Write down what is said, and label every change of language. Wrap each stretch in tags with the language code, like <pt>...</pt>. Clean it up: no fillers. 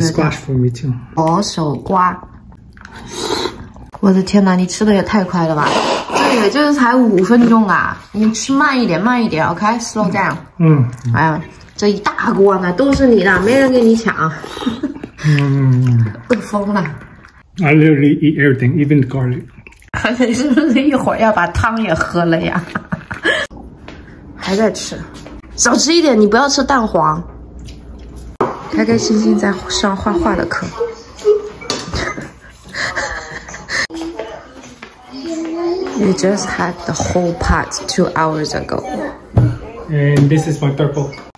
<en>Squash for me too.</en> <zh>薄手瓜。我的天哪，你吃的也太快了吧！这也就是才五分钟啊，你吃慢一点，慢一点 ，</zh> <en>OK， slow down。</en> <zh>嗯。哎呀，这一大锅呢，都是你的，没人跟你抢。嗯，饿疯了。</zh> <en>I literally eat everything, even the garlic.</en> <zh>你是不是一会儿要把汤也喝了呀？还在吃，少吃一点，你不要吃蛋黄。开开心心在上画画的课。</zh> <en>You just had the whole pot 2 hours ago. And this is my third bowl.</en>